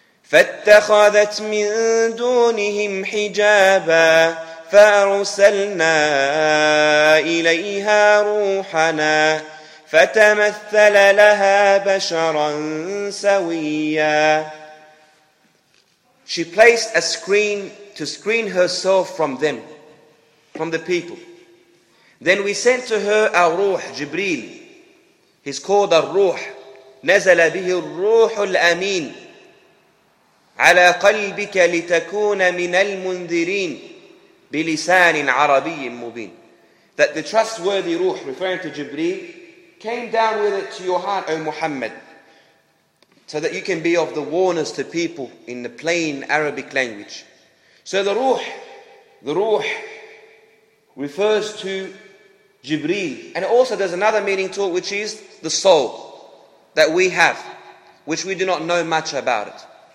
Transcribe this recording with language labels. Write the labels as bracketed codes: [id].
[ar] فَاتَّخَذَتْ مِن دُونِهِمْ حِجَابًا فَأَرْسَلْنَا إِلَيْهَا رُوحَنَا فَتَمَثَّلَ لَهَا بَشَرًا سَوِيًّا. [en] She placed a screen to screen herself from them, from the people. Then we sent to her our ruh, Jibreel. He's called ar-ruh. [ar] نَزَلَ بِهِ الرُّوحُ الْأَمِينُ على قلبك لتكون من المنذرين بلسان عربي مبين. [en] That the trustworthy ruh, referring to Jibreel, came down with it to your heart, O Muhammad, so that you can be of the warners to people in the plain Arabic language. So the ruh refers to Jibreel, and also there's another meaning to it, which is the soul that we have, which we do not know much about it.